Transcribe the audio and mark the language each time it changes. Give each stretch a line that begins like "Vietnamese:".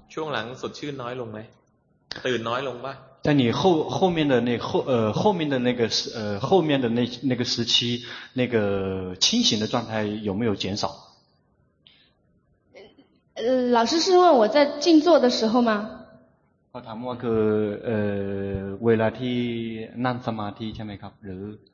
Thai: ช่วงหลังสดชื่นน้อยลงมั้ยตื่นน้อยลงป่ะ แต่
Chinese: 你后面的那后面的那个后面的那个时期那个清醒的状态有没有减少老师是问我在静坐的时候吗
Thai: เขาถามว่าคือเวลาที่นั่งสมาธิใช่ไหมครับหรือ